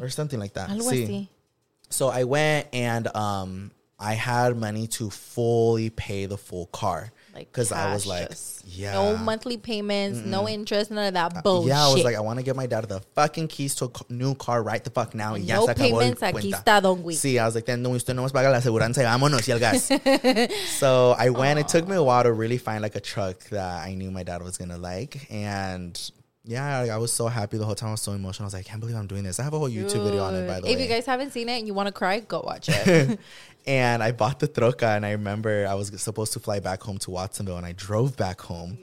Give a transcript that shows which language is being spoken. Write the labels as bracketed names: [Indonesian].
[English] Or something like that. Sí. So I went and I had money to fully pay the full car. Because I was like, no monthly payments, no interest, none of that bullshit. I was like, I want to get my dad the fucking keys to a new car right the fuck now. No payments, [Spanish] aquí está, don Gui. Sí, [English] I was like, [Spanish] no, usted no más paga la aseguranza y vámonos y el gas. [English] So I went. It took me a while to really find like a truck that I knew my dad was going to like. And I was so happy the whole time. I was so emotional. I was like, I can't believe I'm doing this. I have a whole YouTube video on it, by the way. If you guys haven't seen it and you want to cry, go watch it. And I bought the troca, and I remember I was supposed to fly back home to Watsonville, and I drove back home.